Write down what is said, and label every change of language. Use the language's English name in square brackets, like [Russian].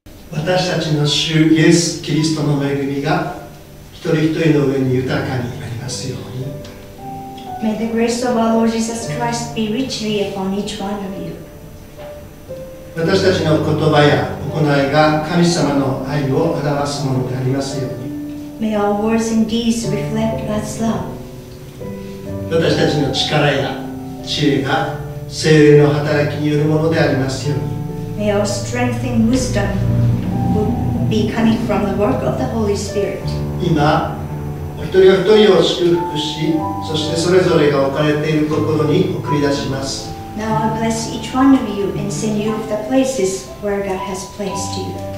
[Japanese] 私たちの主イエス・キリストの恵みが一人一人の上に豊かにありますように。 [English] May the grace of our Lord Jesus Christ be richly upon each one of you. [Japanese] 私たちの言葉や行いが神様の愛を表すものでありますように。 [English] May our words and deeds reflect God's love. [Japanese] 私たちの力や知恵が聖霊の働きによるものでありますように。 [English] May our strength and wisdom be coming from the work of the Holy Spirit. [Japanese] 今、お一人お一人を祝福し、そしてそれぞれが置かれているところに送り出します。 [English] Now I bless each one of you and send you to the places where God has placed you.